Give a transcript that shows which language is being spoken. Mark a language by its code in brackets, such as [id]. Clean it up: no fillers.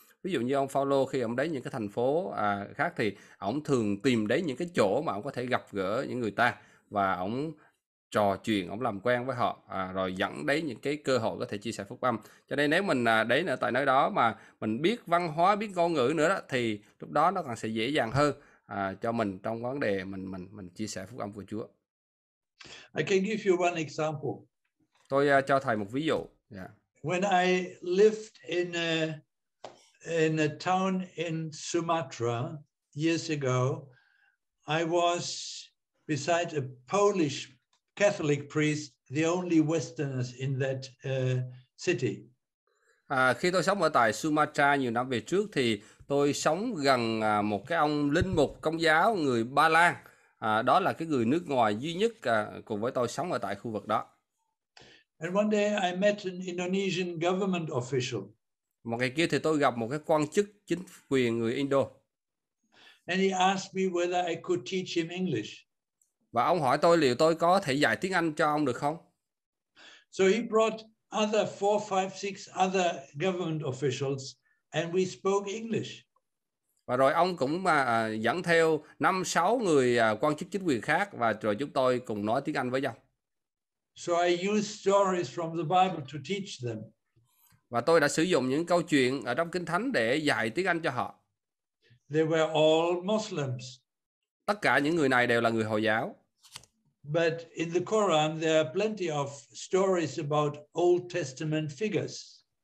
[vi] Ví dụ như ông Phaolô, khi ông đến những cái thành phố khác thì ông thường tìm đến những cái chỗ mà ông có thể gặp gỡ những người ta và ông trò chuyện, ông làm quen với họ, rồi dẫn đến những cái cơ hội có thể chia sẻ phúc âm. Cho nên nếu mình đến ở tại nơi đó mà mình biết văn hóa, biết ngôn ngữ nữa đó, thì lúc đó nó còn sẽ dễ dàng hơn cho mình trong vấn đề mình chia sẻ phúc âm của Chúa. [en] I can give you one example. [vi] Tôi cho thầy một ví dụ. [en] When I lived in a town in Sumatra years ago, I was beside a Polish Catholic priest, the only Westerners in that city. [vi] Khi tôi sống ở tại Sumatra nhiều năm về trước, thì tôi sống gần một cái ông linh mục Công giáo người Ba Lan. Đó là cái người nước ngoài duy nhất cùng với tôi sống ở tại khu vực đó. [en] And one day I met an Indonesian government official. [vi] Một ngày kia thì tôi gặp một cái quan chức chính quyền người Indo. [en] And he asked me whether I could teach him English. [vi] Và ông hỏi tôi liệu tôi có thể dạy tiếng Anh cho ông được không? [en] So he brought other 4, 5, 6 other government officials and we spoke English. [vi] Và rồi ông cũng dẫn theo 5, 6 người quan chức chính quyền khác và rồi chúng tôi cùng nói tiếng Anh với nhau. [en] So I used stories from the Bible to teach them. [vi] Và tôi đã sử dụng những câu chuyện ở trong Kinh Thánh để dạy tiếng Anh cho họ. [en] They were all Muslims. [vi] Tất cả những người này đều là người Hồi giáo. [en] But in the Quran there are plenty of stories about Old Testament figures.